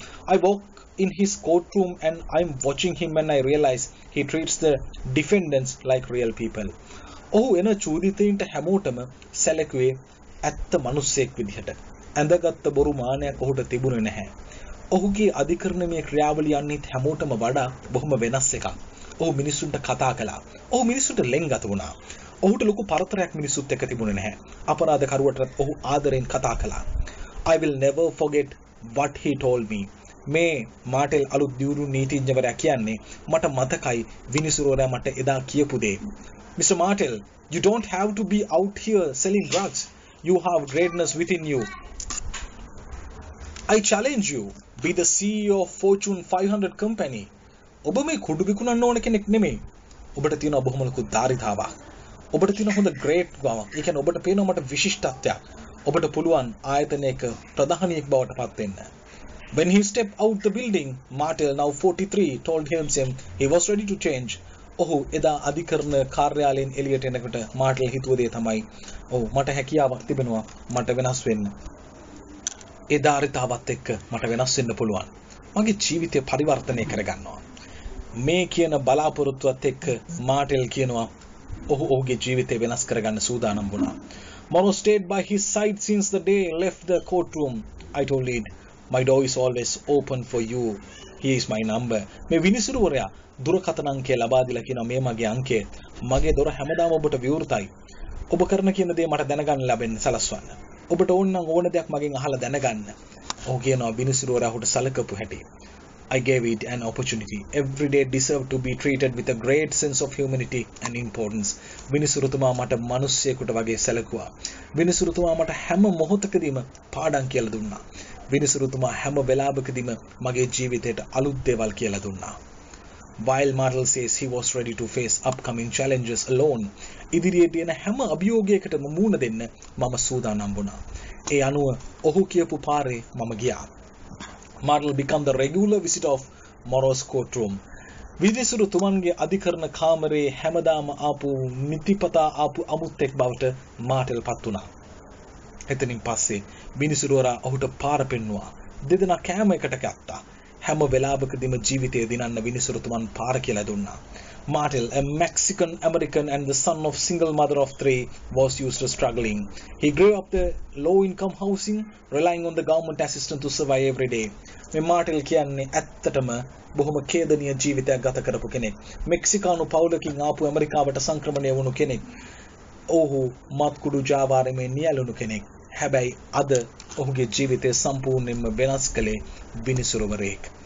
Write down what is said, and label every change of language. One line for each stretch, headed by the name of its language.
English: I walk in his courtroom and I'm watching him and I realize he treats the defendants like real people.
Sinhala: ඔහු එන චූදිතයින්ට හැමෝටම සැලකුවේ ඇත්ත මිනිස්සෙක් විදිහට. ඇඳගත්ත බොරු මානයක් ඔහුට තිබුණේ නැහැ. ඔහුගේ අධිකරණමය ක්‍රියාවලිය අනිත් හැමෝටම වඩා බොහොම වෙනස් එකක්. ඔහු මිනිසුන්ට කතා කළා. ඔහු මිනිසුන්ට ලෙන්ගත වුණා. ඔහුට ලොකු පරතරයක් මිනිසුත් එක්ක තිබුණේ නැහැ. අපරාධකරුවටත් ඔහු ආදරෙන් කතා කළා.
English: I will never forget what he told me.
Sinhala: මේ මාටෙල් අලුත් දියුරු නීතිඥවරයා කියන්නේ මට මතකයි විනිසුරුවරයා මට එදා කියපු දේ.
English: Mr. Martel, you don't have to be out here selling drugs. You have greatness within you. I challenge you, be the CEO of Fortune 500 company.
Sinhala: ඔබ මේ කුඩු විකුණන්න ඕන කෙනෙක් නෙමෙයි. ඔබට තියෙන බොහොම ලොකු ධාරිතාවක්. ඔබට තියෙන හොඳ great බවක්. ඒ කියන්නේ ඔබට පේනවා මට විශිෂ්ටත්වයක්. ඔබට පුළුවන් ආයතනයක ප්‍රධානීෙක් බවට පත් වෙන්න.
English: When he stepped out the building, Martel, now 43, told himself he was ready to change.
Sinhala: ඔහු එදා අධිකරණ කාර්යාලයෙන් එළියට එනකොට මාටල් හිතුව දේ තමයි, ඔව් මට හැකියාවක් තිබෙනවා මට වෙනස් වෙන්න. ඒ ධාරිතාවත් එක්ක මට වෙනස් වෙන්න පුළුවන්. මගේ ජීවිතය පරිවර්තනය කරගන්නවා. මේ කියන බලාපොරොත්තුවත් එක්ක මාටල් කියනවා ඔහු ඔහුගේ ජීවිතය වෙනස් කරගන්න සූදානම් වුණා.
English: Moro stayed by his side since the day left the courtroom. I told him, my door is always open for you. He is my number.
Sinhala: මේ විනිසුරුවරයා දුරකථන අංකය ලබා දීලා කියනවා මේ මගේ අංකය. මගේ දොර හැමදාම ඔබට විවෘතයි. ඔබ කරන කියන දේ මට දැනගන්න ලැබෙන්න සලස්වන්න. ඔබට ඕන නම් ඕන දෙයක් මගෙන් අහලා දැනගන්න. ඔහු කියනවා විනිසුරුවරයා ඔහුට සලකපු හැටි.
English: I gave it an opportunity. Every day deserved to be treated with a great sense of humanity and importance.
Sinhala: විනිසුරුතුමා මට මිනිස්සෙකුට වගේ සැලකුවා. විනිසුරුතුමා මට හැම මොහොතකදීම පාඩම් කියලා දුන්නා. විනිසුරුතුමා හැම වෙලාවකදීම මගේ ජීවිතයට අලුත් දේවල් කියලා දුන්නා.
English: While Martel says he was ready to face upcoming challenges alone.
Sinhala: ඉදිරියේ තියෙන හැම අභියෝගයකටම මුහුණ දෙන්න මම සූදානම් වුණා. ඒ අනුව ඔහු කියපු පාරේ මම ගියා.
English: Martel became the regular visitor of Moro's courtroom.
Sinhala: විනිසුරුතුමන්ගේ අධිකරණ කාමරේ හැමදාම ආපු නිතිපතා ආපු අමුත්තෙක් බවට Martel පත් වුණා. එතනින් පස්සේ විනිසුරුවරා ඔහුට පාර පෙන්නුවා. දෙදෙනා කෑම එකට ගත්තා. හැම වෙලාවකදීම ජීවිතය දිනන්න විනිසුරුතුමන් පාර කියලා දුන්නා.
English: Martel, a Mexican American and the son of single mother of three, was used to struggling. He grew up the low income housing, relying on the government assistance to survive every day.
Sinhala: මේ Martel කියන්නේ ඇත්තටම බොහොම ඛේදනීය ජීවිතයක් ගත කරපු කෙනෙක්. මෙක්සිකානු පවුලකින් ආපු ඇමරිකාවට සංක්‍රමණය වුණු කෙනෙක්. ඔහු මත්කුඩු ජාවාරමේ නියලුණු කෙනෙක්. හැබැයි අද ඔහුගේ ජීවිතය සම්පූර්ණයෙන්ම වෙනස් කළේ විනිසුරුවරයෙක්.